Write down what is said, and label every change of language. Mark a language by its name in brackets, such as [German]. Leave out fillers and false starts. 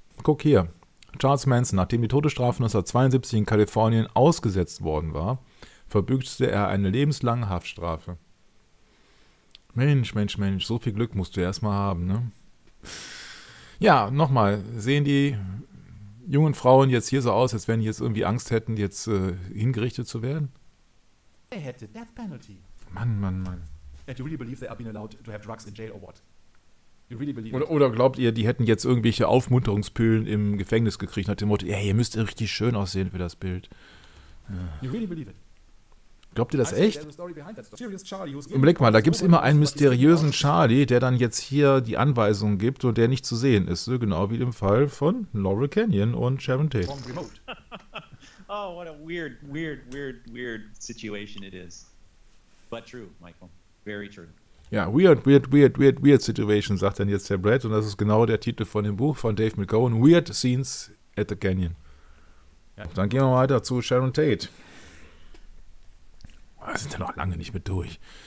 [German] Guck hier, Charles Manson, nachdem die Todesstrafe 1972 in Kalifornien ausgesetzt worden war, verbüßte er eine lebenslange Haftstrafe. Mensch, Mensch, Mensch, so viel Glück musst du erstmal haben, ne? Ja, nochmal, sehen die jungen Frauen jetzt hier so aus, als wenn die jetzt irgendwie Angst hätten, jetzt hingerichtet zu werden? [English] They had the death penalty. [German] Mann, Mann, Mann. [English] And you really believe they are being allowed to have drugs in jail or what? You really believe [German] oder glaubt ihr, die hätten jetzt irgendwelche Aufmunterungspillen im Gefängnis gekriegt, nach dem Motto, ja, ihr müsst richtig schön aussehen für das Bild. [English] Ja. You really believe it? [German] Glaubt ihr das echt? Überleg mal, da gibt es immer einen mysteriösen Charlie, der dann jetzt hier die Anweisungen gibt und der nicht zu sehen ist. So genau wie im Fall von Laurel Canyon und Sharon Tate. [English] Oh, what a weird, weird, weird, weird situation it is. But true, Michael. Very true. [German] Ja, [English] weird, weird, weird, weird, weird situation, [German] sagt dann jetzt der Brad. Und das ist genau der Titel von dem Buch von Dave McGowan. Weird Scenes at the Canyon. Dann gehen wir weiter zu Sharon Tate. Wir sind ja noch lange nicht mit durch.